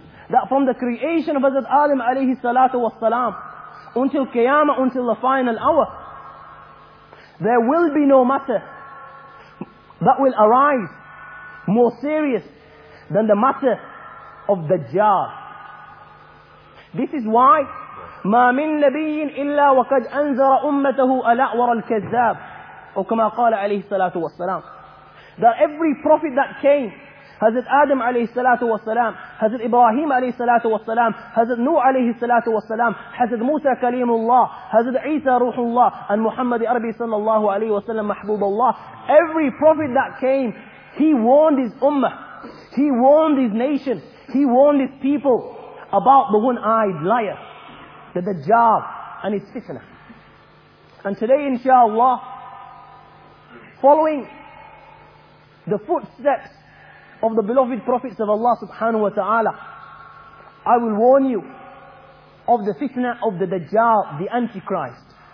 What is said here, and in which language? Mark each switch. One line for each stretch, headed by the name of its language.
English: That from the creation of Hazrat Adam alayhi salatu wa salam until Qiyamah, until the final hour, there will be no matter that will arise more serious than the matter of Dajjal. This is why
Arabic: ما من نبي إلا وقد أنذر أمته الأعور الكذاب.
English: Or
Arabic: كما قال عليه الصلاة والسلام.
English: That every prophet that came, Hazrat Adam
Arabic: عليه الصلاة والسلام,
English: Hazrat Ibrahim عليه الصلاة والسلام, Hazrat Nuh عليه الصلاة والسلام, Hazrat Musa
Arabic: كليم الله,
English: Hazrat Isa
Arabic: روح الله,
English: and Muhammad Arabi
Arabic: صلى الله عليه وسلم محبوب الله.
English: Every prophet that came, he warned his ummah, he warned his nation, he warned his people about the one-eyed liar, the Dajjal, and his fitna. And today, inshallah, following the footsteps of the beloved prophets of Allah subhanahu wa ta'ala, I will warn you of the fitna of the Dajjal, the Antichrist.